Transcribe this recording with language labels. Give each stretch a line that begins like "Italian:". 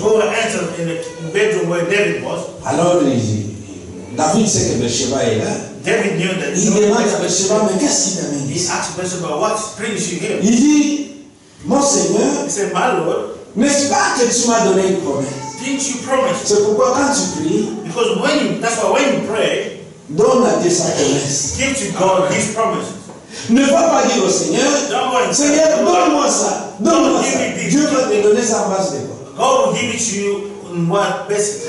English: Go and enter in the bedroom where David was.
French: Alors, David sait que Bathsheba est là.
English: David knew that.
French: Il demande à Bathsheba, mais qu'est-ce qui t'amène?
English: He asked Bathsheba, what brings you here?
French: Il dit, mon Seigneur,
English: he said, my Lord,
French: n'est-ce pas que tu m'as donné une promesse?
English: Didn't you promise?
French: C'est pourquoi quand tu pries,
English: because when you, that's why when you pray,
French: donne à Dieu sa promesse.
English: Give to God his promise.
French: Ne va pas dire au Seigneur, Seigneur, donne-moi ça, donne-moi ça. Dieu va te donner ça en base de quoi?
English: God will give it to you in one place.